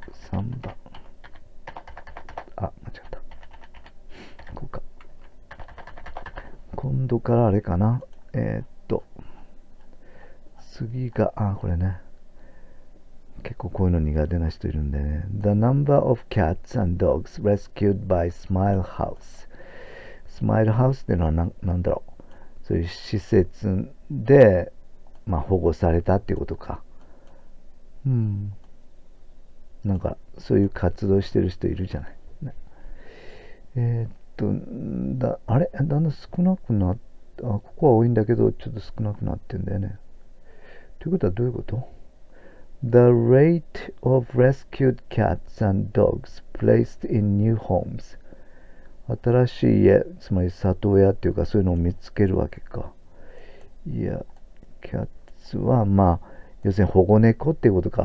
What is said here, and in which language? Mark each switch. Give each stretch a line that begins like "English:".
Japanese: 3番。あ、間違った。こうか。今度からあれかな。次が、あ、これね。結構こういうの苦手な人いるんでね。
English: The number of cats and dogs rescued by Smile House。
Japanese: Smile House っていうのは何だろう。そういう施設で、まあ、保護されたっていうことか。なんか、そういう活動してる人いるじゃない。ね、あれ、だんだん少なくなった。ここは多いんだけどちょっと少なくなってんだよね。ということはどういうこと。
English: The rate of rescued cats and dogs placed in new homes。
Japanese: 新しい家、つまり里親っていうかそういうのを見つけるわけか。いや、キャッツはまあ要するに保護猫っていうことか。